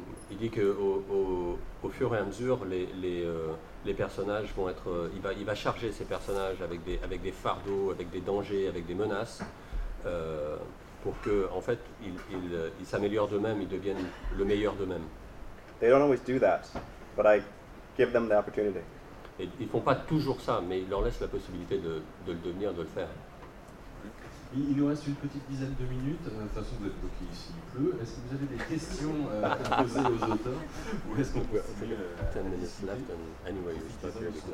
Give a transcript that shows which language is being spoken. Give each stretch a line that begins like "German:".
French: Il dit que au fur et à mesure, les personnages vont être, il va charger ces personnages avec des fardeaux, avec des dangers, avec des menaces, pour que en fait ils s'améliorent d'eux-mêmes, ils deviennent le meilleur d'eux-mêmes.
English: They don't always do that, but I give them the opportunity.
French: Et ils font pas toujours ça, mais ils leur laissent la possibilité de le devenir, de le faire. Il nous reste une petite dizaine de minutes. De toute façon, vous êtes bloqué ici, il pleut. Est-ce que vous avez des questions à poser aux auteurs? Ou est-ce qu'on peut appeler
English: 10 minutes left, and anyway, we'll start here.